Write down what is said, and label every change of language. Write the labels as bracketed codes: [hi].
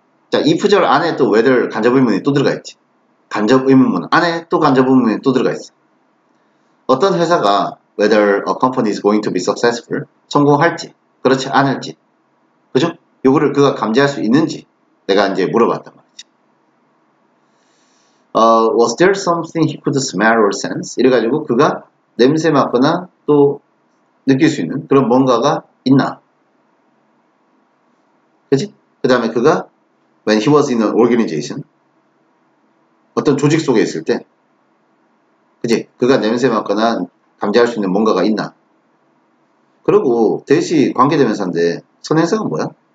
[ko] 자, if 절 안에 또 whether 간접 의문이 또 들어가 있지. 간접 의문문 안에 또 간접 의문이 또 들어가 있어. 어떤 회사가 [en] whether a company is going to be successful, [ko] 성공할지, 그렇지 않을지, 그죠? 요거를 그가 감지할 수 있는지 내가 이제 물어봤단 말이지. [en] Was there something he could smell or sense? [ko] 이래가지고 그가 냄새 맡거나 또 느낄 수 있는 그런 뭔가가 있나? 그지? 그 다음에 그가 [en] when he was in an organization, [ko] 어떤 조직 속에 있을 때, 그지? 그가 냄새 맡거나 감지할 수 있는 뭔가가 있나? 그리고 대시 관계대명사인데 선행사가 뭐야?